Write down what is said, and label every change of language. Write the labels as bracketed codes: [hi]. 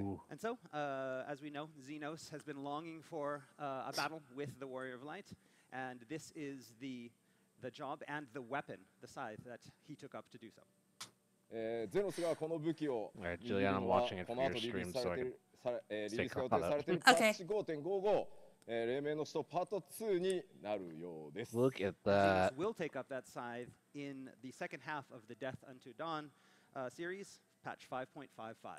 [en] And so, as we know, Xenos has been longing for a battle with the Warrior of Light, and this is the job and the weapon, the scythe that he took up to do so. [ja] ゼノスがこの武器を、 [en] Julian, I'm watching it from your stream, so I can take a look at it. Okay. 5.55. [ja] 黎明の使徒パート2になるようです。 [en] Look at that. We'll take up that scythe in the second half of the Death Unto Dawn series, patch 5.55.